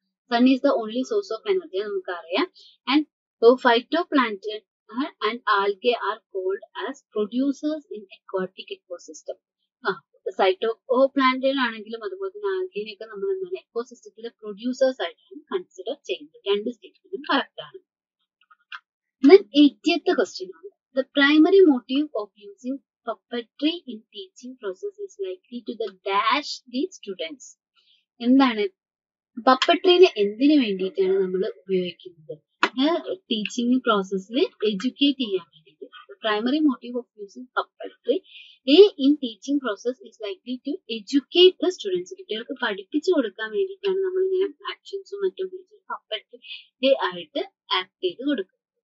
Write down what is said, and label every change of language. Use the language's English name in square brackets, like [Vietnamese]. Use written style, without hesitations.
[English] Sun is the only source of energy in the sun. And phytoplankton and algae are called as producers in aquatic ecosystem. [Malayalam] Phytoplankton ആണെങ്കിലും അതുപോലെ തന്നെ ആൽഗേനെയൊക്കെ നമ്മൾ എന്താണ് എക്കോസിസ്റ്റത്തിലെ producers ആയിട്ടാണ് consider ചെയ്യുന്നത്. രണ്ട് സ്റ്റേറ്റ്മെന്റും കറക്റ്റ് ആണ്. [English] Then 80th question [Malayalam] ആണ്. [English] The primary motive of using puppetry in teaching process is likely to the dash the students. [Malayalam] എന്താണ് പപ്പട്രീനെ എന്തിനു വേണ്ടിയിട്ടാണ് നമ്മൾ ഉപയോഗിക്കുന്നത് ടീച്ചിങ് പ്രോസസ്സിൽ എഡ്യൂക്കേറ്റ് ചെയ്യാൻ വേണ്ടിയിട്ട്? [English] Primary motive of using puppetry in teaching process is likely to educate the students. [Malayalam] കുട്ടികൾക്ക് പഠിപ്പിച്ചു കൊടുക്കാൻ വേണ്ടിയിട്ടാണ് നമ്മൾ ഇങ്ങനെ ആക്ഷൻസും മറ്റും പപ്പട്രി ആയിട്ട് ആക്ട് ചെയ്ത് കൊടുക്കുന്നത്.